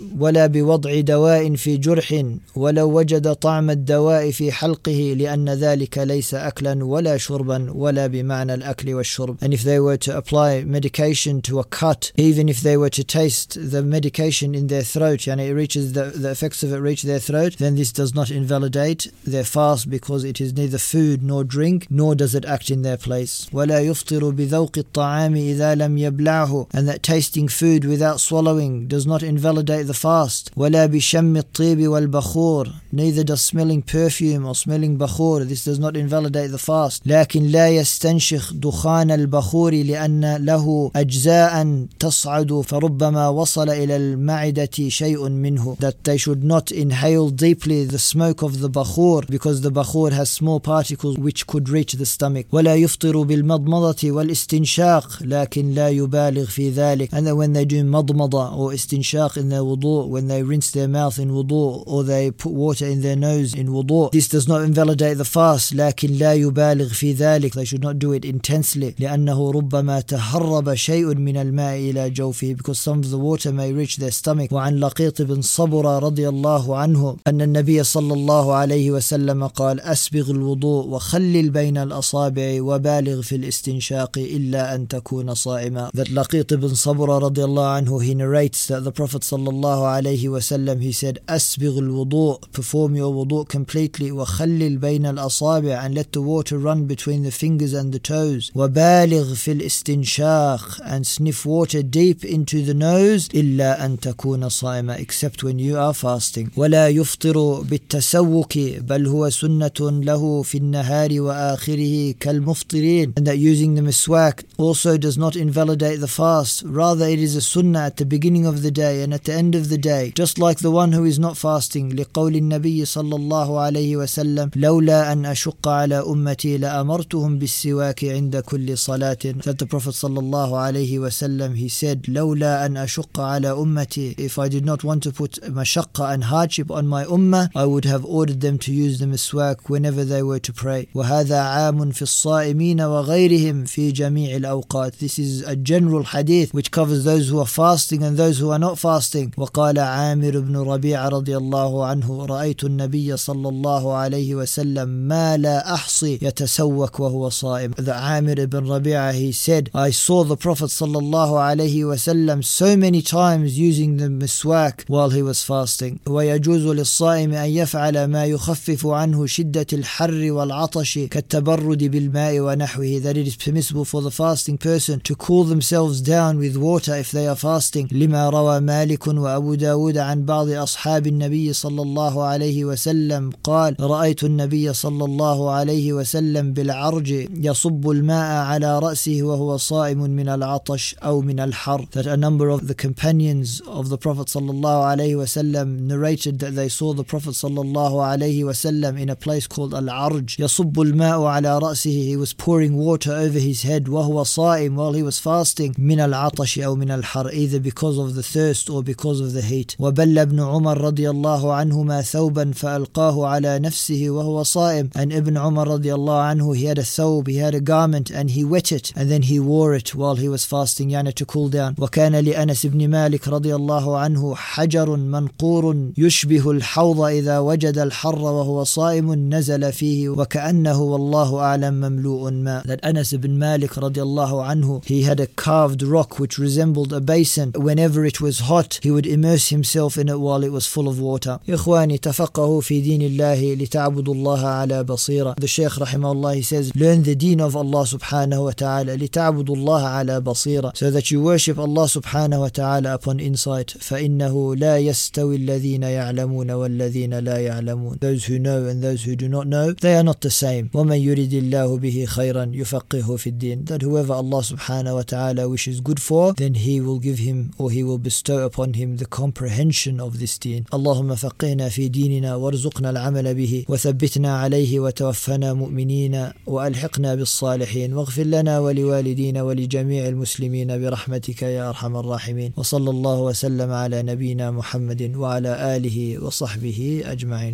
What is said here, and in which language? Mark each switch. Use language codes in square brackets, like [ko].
[ar] وَلَا بِوَضْعِ دَوَاءٍ فِي جُرْحٍ وَلَوْ وَجَدَ طَعْمَ الدَّوَاءِ فِي حَلْقِهِ لِأَنَّ ذَلِكَ ليس أكلا ولا شربا ولا بمعنى الأكل والشرب. [en] And if they were to apply medication to a cut, even if they were to taste the medication in their throat, يعني it reaches the effects of it reach their throat, then this does not invalidate their fast because it is neither food nor drink, nor does it act in their place. [ar] ولا يفطر بذوق الطعام إذا لم يبلعه. [en] And that tasting food without swallowing does not invalidate the fast. [ar] ولا بشم الطيب والبخور. [en] Neither does smelling perfume or smelling bakhur, this does not invalidate the fast. [ar] لكن لا يستنشخ دخان البخور لأن له أجزاء تصعد فربما وصل إلى المعدة شيء منه. [en] That they should not inhale deeply the smoke of the bakhur because the bakhur has small particles which could reach the stomach. [ar] ولا يفطر بالمضمضة والاستنشاق لكن لا يبالغ في ذلك. [en] And that when they do مضمضة or استنشاق in their wudu, when they rinse their mouth in wudu or they put water in their nose in wudu, this does not invalidate the fast. [ar] لكن لا يبالغ في ذلك. [en] They should not do it intensely. [ar] لأنه ربما تهرب شيء من الماء إلى جوفه, [en] because some of the water may reach their stomach. [ar] وعن لقيط بن صبرة رضي الله عنه أن النبي صلى الله عليه وسلم قال أسبغ الوضوء وخلل بين الأصابع وبالغ في الاستنشاق إلا أن تكون صائما. [en] That لقيط بن صبرة [ar] رضي الله عنه, [en] he narrates that the Prophet [ar] صلى الله عليه وسلم, [en] he said [ar] أسبغ الوضوء, [en] perform your wudu completely, [ar] وخلل بين الأصابع, [en] and let the water run between the fingers and the toes, [ar] وبالغ في الاستنشاق, [en] and sniff water deep into the nose, [ar] إلا أن تكون صائما, [en] except when you are fasting. [ar] ولا يفطر بالتسوك بل هو سنة له في النهار وآخره كالمفطرين. [en] And that using the miswaak also does not invalidate the fast, rather it is a sunnah at the beginning of the day and at the end of the day, just like the one who is not fasting. [ar] لقول النبي صلى الله عليه وسلم لولا أن أشق على أمتي لأمرتهم بالسواك عند كل صلاة. [en] That the Prophet [ar] صلى الله عليه وسلم, [en] he said [ar] لولا أن أشق على أمتي, [en] if I did not want to put مشقة and hardship on my ummah, I would have ordered them to use the miswaak whenever they were to pray. [ar] وهذا عام في الصائمين وغيرهم في جميع الأوقات. [en] This is a general hadith which covers those who are fasting and those who are not fasting. [ar] وقال عامر بن ربيعة رضي الله عنه رأيت النبي صلى الله عليه وسلم ما لا أحصي يتسوك وهو صائم. [en] The عامر بن ربيعة, he said I saw the Prophet [ar] صلى الله عليه وسلم [en] so many times using the miswaak while he was fasting. [ar] ويجوز للصائم أن يفعل ما يخفف عنه شدة الحر والعطش كالتبرد بالماء ونحوه. [en] That it is permissible for the fasting person to cool themselves down with water if they are fasting. [ar] لما روى مالك وأبو داود عن بعض أصحاب النبي صلى الله عليه وسلم قال رأيت النبي صلى الله عليه وسلم بالعرج يصب الماء على رأسه وهو صائم من العطش أو من الحر. [en] That a number of the companions of the Prophet [ar] صلى الله عليه وسلم [en] narrated that they saw the Prophet صلى الله عليه وسلم in a place called العرج [ar] يصب الماء على رأسه, [en] he was pouring water over his head [ar] وهو صائم [en] while he was fasting, [ar] من العطش أو من الحر, [en] either because of the thirst or because of the heat. [ar] وبل ابن عمر رضي الله عنهما ثوبا فألقاه على نفسه وهو صائم. [en] And ابن عمر [ar] رضي الله عنه, [en] he had a thawb, he had a garment, and he wet it and then he wore it while he was fasting, يعني to cool down. [ar] وكان لأنس ابن مالك رضي الله عنه حجر منقور يشبه الحوض إذا وجد الحر وهو صائم نزل فيه وكأنه والله أعلم مملوء ماء. [en] That Anas ibn Malik [ar] رضي الله عنه, [en] he had a carved rock which resembled a basin. Whenever it was hot, he would immerse himself in it while it was full of water. [ar] إخواني تفقهوا في دين الله لتعبدوا الله على بصيرة. [en] The Shaykh [ar] رحمه الله, [en] he says, learn the deen of Allah [ar] سبحانه وتعالى لتعبدوا الله على بصيرة, [en] so that you worship Allah سبحانه وتعالى upon insight. [ar] فإنه لا يستوي الذين يعلمون والذين لا يعلمون. [en] Those who know and those who do not know, they are not the same. [ar] ومن يريد الله به خيرا يفقهه في الدين. [en] That whoever Allah subhanahu wa ta'ala wishes good for, then he will give him or he will bestow upon him the comprehension of this deen. [ar] اللهم فقهنا في ديننا وارزقنا العمل به وثبتنا عليه وتوفنا مؤمنين وألحقنا بالصالحين واغفر لنا ولوالدينا ولجميع المسلمين برحمتك يا أرحم الراحمين. وصلى الله وسلم على نبينا محمد وعلى آله وصحبه أجمعين.